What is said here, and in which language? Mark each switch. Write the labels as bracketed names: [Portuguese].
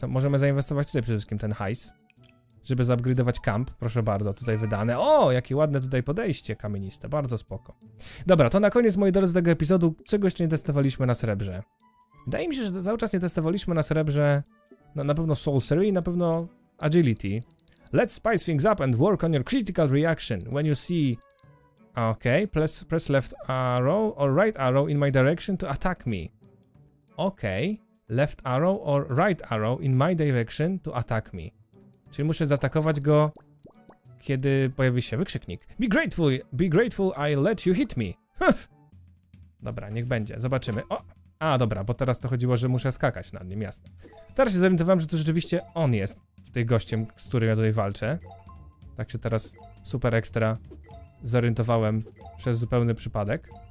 [Polish] No, możemy zainwestować tutaj przede wszystkim ten hajs. Żeby zupgrade'ować kamp, proszę bardzo, tutaj wydane. O, jakie ładne tutaj podejście kamieniste, bardzo spoko. Dobra, to na koniec, moi drodzy, tego epizodu, czegoś nie testowaliśmy na srebrze. Wydaje mi się, że cały czas nie testowaliśmy na srebrze, no, na pewno Sorcery i na pewno Agility. [English] Let's spice things up and work on your critical reaction when you see... Okay, press left arrow or right arrow in my direction to attack me. Okay, left arrow or right arrow in my direction to attack me. [Polish] Czyli muszę zaatakować go, kiedy pojawi się wykrzyknik. [English] Be grateful I let you hit me. [Polish] Dobra, niech będzie, zobaczymy. O, a dobra, bo teraz to chodziło, że muszę skakać nad nim, jasne. Teraz się zorientowałem, że to rzeczywiście on jest tutaj gościem, z którym ja tutaj walczę. Tak się teraz super ekstra zorientowałem przez zupełny przypadek.